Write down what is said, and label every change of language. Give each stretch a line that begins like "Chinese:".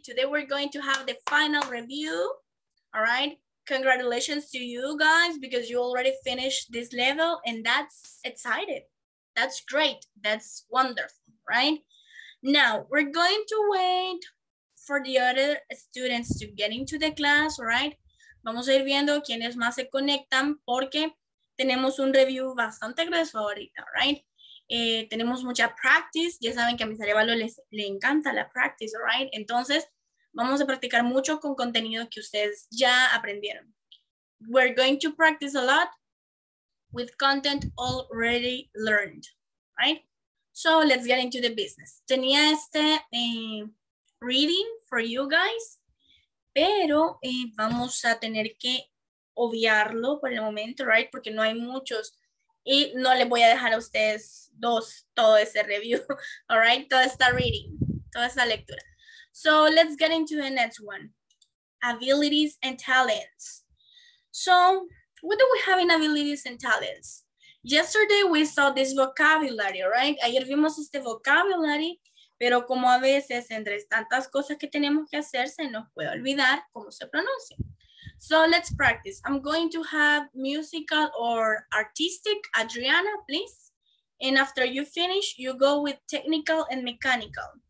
English: Today we're going to have the final review, all right? Congratulations to you guys because you already finished this level and that's excited. That's great. That's wonderful, right? Now, we're going to wait for the other students to get into the class, all right?
Spanish: Vamos a ir viendo quiénes más se conectan porque tenemos un review bastante grueso ahorita,
English: all right?
Spanish: Tenemos mucha practice. Ya saben que a mis arevalos les encanta la practice,
English: all right?
Spanish: Entonces, vamos a practicar mucho con contenido que ustedes ya aprendieron.
English: We're going to practice a lot with content already learned, right? So let's get into the business.
Spanish: Tenía este
English: reading for you guys,
Spanish: pero vamos a tener que obviarlo por el momento,
English: right?
Spanish: Porque no hay muchos. Y no les voy a dejar a ustedes dos todo ese review,
English: all right?
Spanish: Toda esta reading, toda esta lectura.
English: So let's get into the next one. Abilities and talents. So what do we have in abilities and talents? Yesterday we saw this vocabulary, right?
Spanish: Ayer vimos este vocabulary, pero como a veces entre tantas cosas que tenemos que hacer, se nos puede olvidar cómo se pronuncia.
English: So let's practice. I'm going to have musical or artistic, Adriana, please. And after you finish, you go with technical and mechanical.